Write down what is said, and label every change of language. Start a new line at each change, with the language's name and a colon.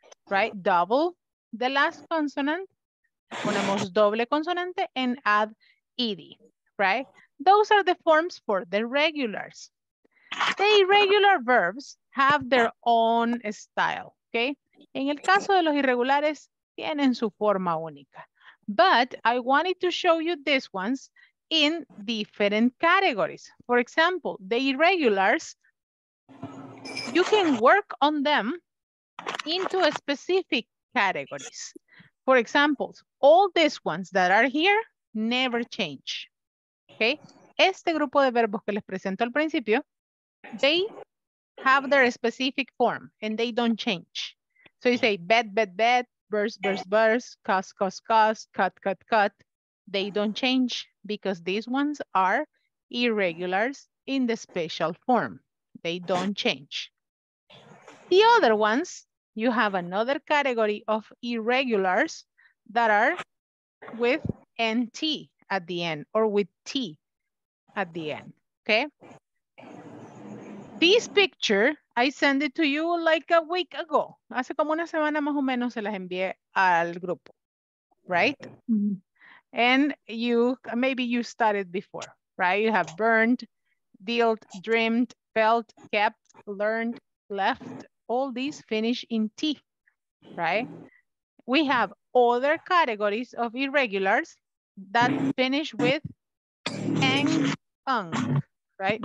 English: Right, double the last consonant,
Spanish: ponemos doble consonante,
English: and add ED. Right, those are the forms for the regulars. The irregular verbs have their own style, okay?
Spanish: En el caso de los irregulares, tienen su forma única.
English: But I wanted to show you these ones in different categories. For example, the irregulars, you can work on them into a specific categories. For example, all these ones that are here, never change. Okay?
Spanish: Este grupo de verbos que les presento al principio,
English: they have their specific form and they don't change. So you say bed, bed, bed, burst, burst, burst, cost, cost, cost, cut, cut, cut. They don't change because these ones are irregulars in the special form. They don't change. The other ones, you have another category of irregulars that are with NT at the end or with T at the end, okay? This picture, I sent it to you like a week ago.
Spanish: Hace como una semana más o menos se las envié al grupo, right?
English: Mm-hmm. And you, maybe you started before, right? You have burned, dealt, dreamed, felt, kept, learned, left, all these finish in T, right? We have other categories of irregulars that finish with ang, ung, right?